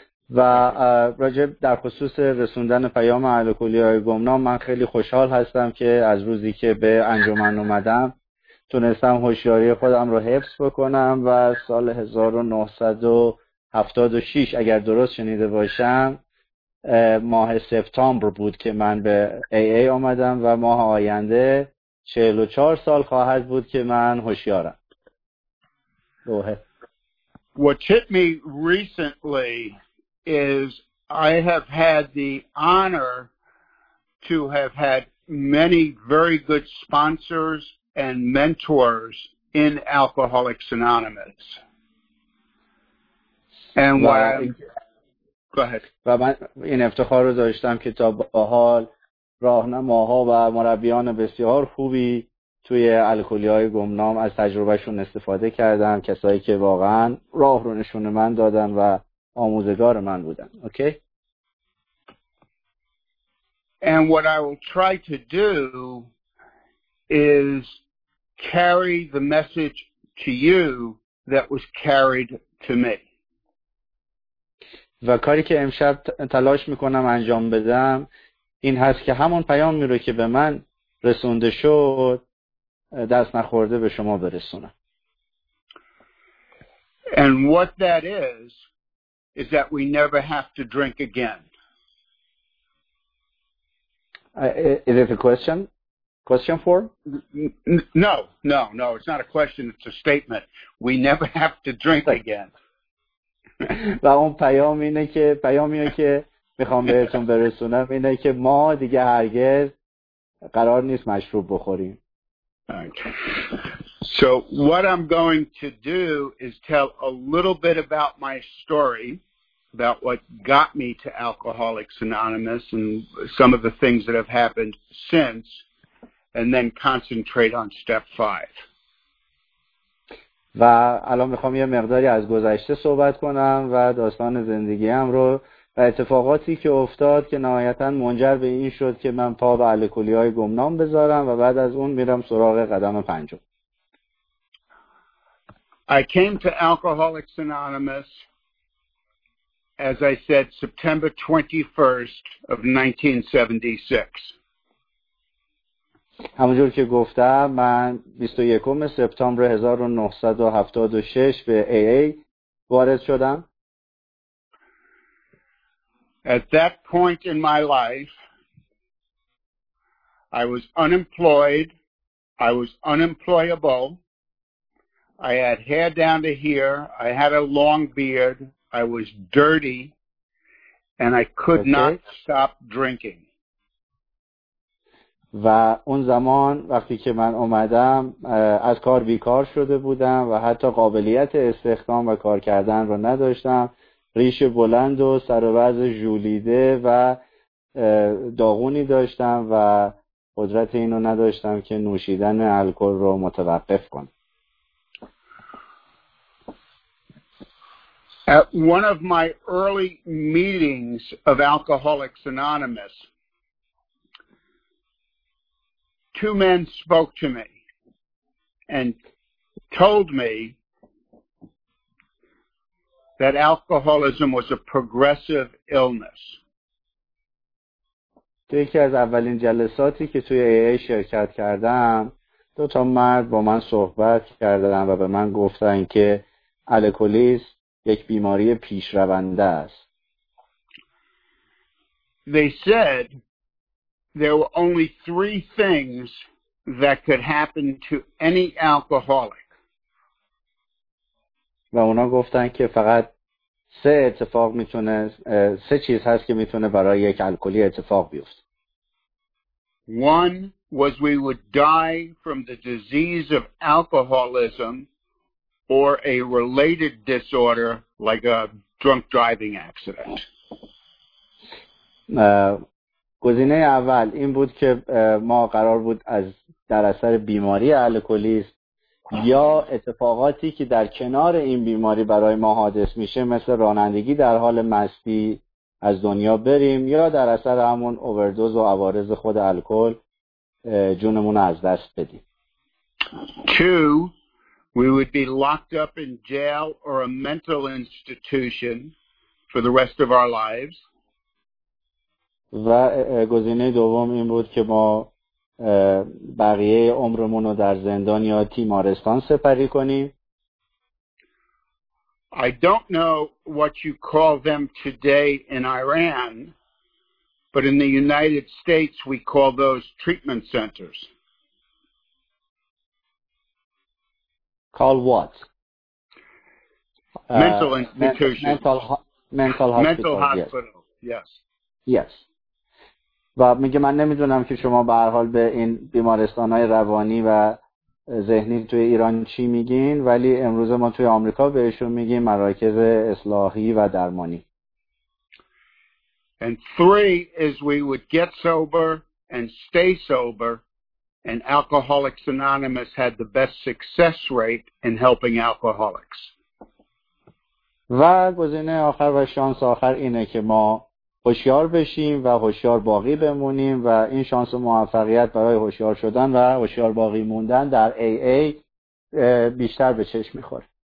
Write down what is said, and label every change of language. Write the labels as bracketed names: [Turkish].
[Persian] و راجب در خصوص رسوندن پیام الکلی‌های گمنام، من خیلی خوشحال هستم که از روزی که به انجمن اومدم تونستم هوشیاری خودم رو حفظ بکنم و سال 1976 اگر درست شنیده باشم ماه سپتامبر بود که من به AA آمدم و ماه آینده 44 سال خواهد بود که من هوشیارم. [English] What hit me recently is I have had the honor to have had many very good sponsors and mentors in Alcoholics Anonymous. And [Persian] و من این افتخار رو داشتم که تا به حال راهنماها و مربیان بسیار خوبی توی الکلی‌های گمنام از تجربهشون استفاده کردم، کسایی که واقعا راه رو نشون من دادن و آموزگار من بودن. [English] Okay? And what I will try to do is carry the message to you that was carried to me. [Persian] و کاری که امشب تلاش میکنم انجام بدم این هست که همون پیامی رو که به من رسونده شد دست نخورده به شما برسونم. [English] And what that is that we never have to drink again. Is it a question? Question four? No, it's not a question, it's a statement. We never have to drink again. [Persian] و اون پیام اینه که پیامی که میخوام بهتون برسونم اینه که ما دیگه هرگز قرار نیست مشروب بخوریم. [English] Okay. So what I'm going to do is tell a little bit about my story, about what got me to Alcoholics Anonymous and some of the things that have happened since, and then concentrate on step 5. [Persian] و الان میخوام یه مقداری از گذشته صحبت کنم و داستان زندگیم رو و اتفاقاتی که افتاد که نهایتاً منجر به این شد که من پا به الکلی‌های گمنام بذارم و بعد از اون میرم سراغ قدم پنجم. [English] I came to Alcoholics Anonymous, as I said, September 21st of 1976. [Persian] همونجور که گفتم من 21 سپتامبر 1976 به AA وارد شدم. [English] At that point in my life, I was unemployed, I was unemployable, I had hair down to here, I had a long beard, I was dirty, and I could not stop drinking. [Persian] و اون زمان وقتی که من اومدم از کار بیکار شده بودم و حتی قابلیت استخدام و کار کردن رو نداشتم. ریش بلند و سر و وضع ژولیده و داغونی داشتم و قدرت اینو نداشتم که نوشیدن الکل رو متوقف کنم. [English] At one of my early meetings of Alcoholics Anonymous, two men spoke to me and told me that alcoholism was a progressive illness. [Persian] توی یکی از اولین جلساتی که توی AA شرکت کردم دو تا مرد با من صحبت کردن و به من گفتن که الکلیسم یک بیماری پیشرونده است. [English] They said there were only three things that could happen to any alcoholic. [Persian] و اونا گفتن که فقط سه اتفاق میتونه سه چیز هست که میتونه برای یک الکلی اتفاق بیفته. [English] One was we would die from the disease of alcoholism or a related disorder like a drunk driving accident. [Persian] گزینه اول این بود که ما قرار بود از در اثر بیماری الکلیسم یا اتفاقاتی که در کنار این بیماری برای ما حادث میشه مثل رانندگی در حال مستی از دنیا بریم یا در اثر همون اووردوز و عوارض خود الکل جونمون از دست بدیم. [English] Two, we would be locked up in jail or a mental institution for the rest of our lives. [Persian] و گزینه دوم این بود که ما بقیه عمرمون رو در زندان یا تیمارستان سپری کنیم. [English] I don't know what you call them today in Iran, but in the United States we call those treatment centers. Call what? Mental institutions. Mental hospital. Yes. [Persian] و میگه من نمیدونم که شما به هر حال به این بیمارستان‌های روانی و ذهنی توی ایران چی میگین، ولی امروز ما توی آمریکا بهشون میگیم مراکز اصلاحی و درمانی. [English] And three is we would get sober and stay sober, and Alcoholics Anonymous had the best success rate in helping alcoholics. [Persian] و گزینه آخر و شانس آخر اینه که ما هوشیار بشیم و هوشیار باقی بمونیم و این شانس و موفقیت برای هوشیار شدن و هوشیار باقی موندن در AA بیشتر به چشم می‌خوره.